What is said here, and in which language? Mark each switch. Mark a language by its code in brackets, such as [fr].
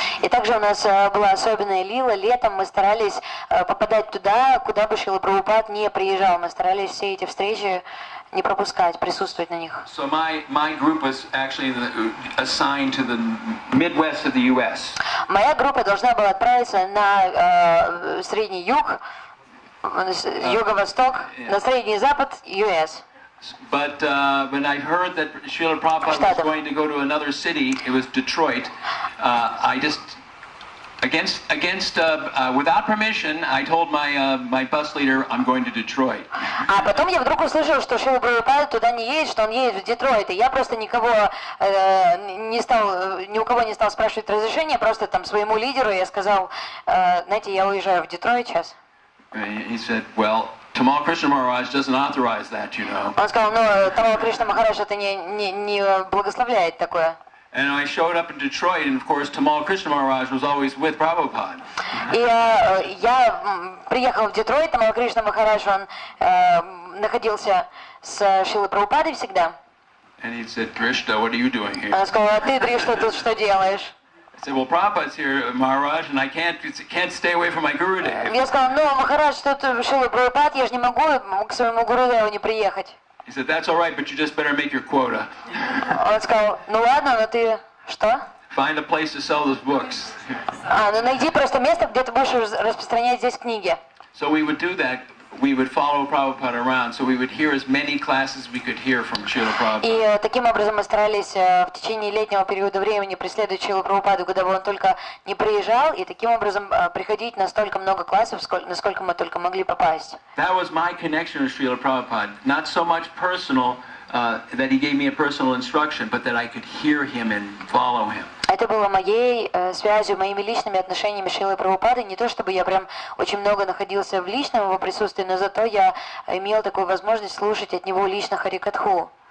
[ru] И также у нас была особенная Лила. Летом мы старались попадать туда, куда бы Шрила Прабхупад не приезжал. Мы старались все эти встречи не пропускать, присутствовать на них. [en] So my group was actually assigned to the Midwest of the U.S. [ru] Моя группа должна была отправиться на Средний Юг, Юго-Восток, на Средний Запад, U.S. [en] But when I heard that Srila Prabhupada was going to go to another city, it was Detroit, I just, without permission, I told my my bus leader, I'm going to Detroit. [ru] А потом я вдруг услышал, что Шрила Прабхупада туда не едет, что он едет в Детройт. И я просто никого не стал, ни у кого не стал спрашивать разрешения, просто там своему лидеру я сказал, знаете, я уезжаю в Детройт сейчас. [en] He said, well, Tamal Krishna Maharaj doesn't authorize that, you know. [ru] Он сказал, ну, Тамал Кришна Махарадж это не благословляет такое. [en] And I showed up in Detroit, and of course, Tamal Krishna Maharaj was always with Prabhupada. [ru] И я приехал в Детройт, Тамал Кришна Махарадж, он находился с Шрилой Прабхупадой всегда. [en] And he said, Krishna, what are you doing here? [ru] Он сказал, а ты, Кришна, тут что делаешь? [en] I said, "Well, Prabhupada's here, Maharaj, and I can't stay away from my Guru Dev." [ru] Я сказал, "Ну, Махарадж, что ты решил Прабхупад, я же не могу к своему Гуру Деву не приехать." [en] He said, "That's all right, but you just better make your quota." [ru] Он сказал, "Ну ладно, но ты что?" [en] Find a place to sell those books. [ru] А, ну найди просто место, где ты будешь распространять здесь книги. [en] So we would do that. We would follow Prabhupada around, so we would hear as many classes we could hear from Srila Prabhupada. [ru] И таким образом мы старались в течение летнего периода времени преследовать Шрилу Прабхупаду, когда бы он только не приезжал, и таким образом приходить на столько много классов, насколько мы только могли попасть. [en] That was my connection with Srila Prabhupada. Not so much personal, that he gave me a personal instruction, but that I could hear him and follow him. [ru] Это было моей связью, моими личными отношениями с Шрилой Прабхупадой. Не то, чтобы я прям очень много находился в личном его присутствии, но зато я имел такую возможность слушать от него лично Харикатху.